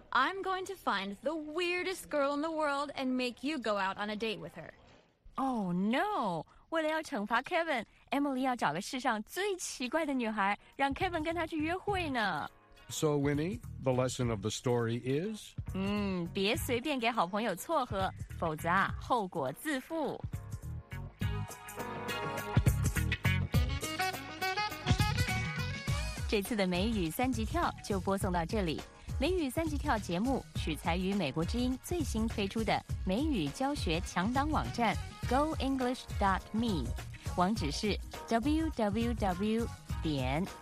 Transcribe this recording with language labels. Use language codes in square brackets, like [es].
[en] I'm going to find the weirdest girl in the world and make you go out on a date with her. Oh, no. [zh] 为了要惩罚 Kevin, Emily 要找个世上最奇怪的女孩让 Kevin 跟她去约会呢。 [en] So, Winnie, the lesson of the story is? [zh] 别随便给好朋友撮合,否则啊,后果自负。这次的美语三级跳就播送到这里。美语三级跳节目取材于美国之音最新推出的美语教学强档网站 goenglish.me， 网址是 www.goenglish.me。